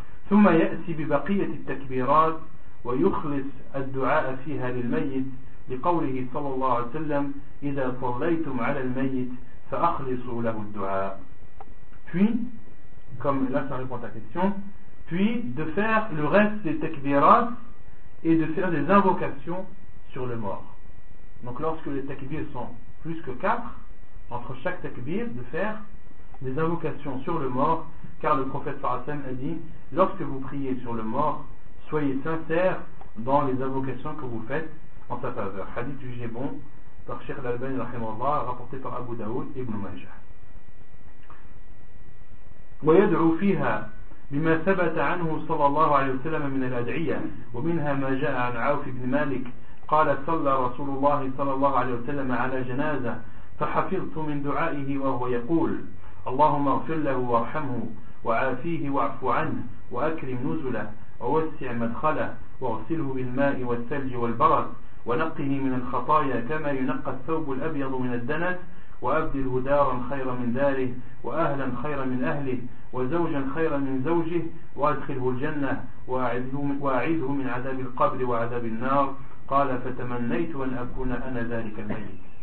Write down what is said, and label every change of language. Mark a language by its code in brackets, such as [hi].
[ar] ثم يأتي ببقية التكبيرات ويخلص الدعاء فيها للميت لقوله صلى الله عليه وسلم إذا صليتم على الميت فأخلصوا له الدعاء. [fr] Puis, comme là ça répond à ta question, puis de faire le reste des takbirat et de faire des invocations sur le mort. Donc lorsque les takbirs sont plus que 4, entre chaque takbir, de faire des invocations sur le mort, car le prophète Farasem a dit, lorsque vous priez sur le mort, soyez sincères dans les invocations que vous faites en sa faveur. Hadith jugé bon par Cheikh l'Albani, rahimahullah, rapporté par Abu Daoud et Ibn Majah. [ar] ويدعو فيها بما ثبت عنه صلى الله عليه وسلم من الأدعية ومنها ما جاء عن عوف بن مالك قال صلى رسول الله صلى الله عليه وسلم على جنازة فحفظت من دعائه وهو يقول اللهم اغفر له وارحمه وعافيه واعف عنه وأكرم نزله ووسع مدخله واغسله بالماء والثلج والبرد ونقه من الخطايا كما ينقى الثوب الأبيض من الدنس وأبدله دارا خيرا من داره وأهلا خيرا من أهله وزوجا خيرا من زوجه وأدخله الجنة وأعذه من عذاب القبر وعذاب النار قال فتمنيت أن أكون أنا ذلك الميت.